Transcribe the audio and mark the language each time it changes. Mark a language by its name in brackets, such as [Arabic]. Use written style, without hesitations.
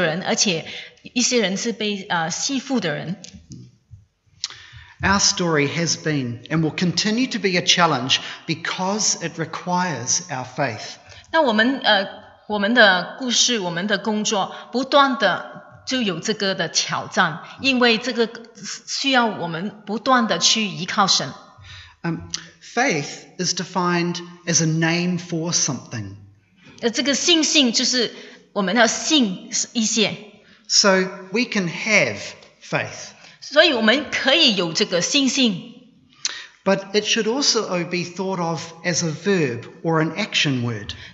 [Chinese] 然后当我工作的时候，因为我是一个牧师，所以呢，有这个机会来帮助辅导一些人需要帮助的人，而且一些人是被欺负的人。 [English] Our story has been and will continue to be a challenge because it requires our faith. [Chinese] 那我们的故事，我们的工作不断的就有这个的挑战，因为这个需要我们不断的去依靠神。 [English] Faith is defined as a name for something. [Chinese] 这个信心就是我们要信一些。 [English] So we can have faith. [Chinese] 所以我们可以有这个信心。 [English] But it should also be thought of as a verb or an action word.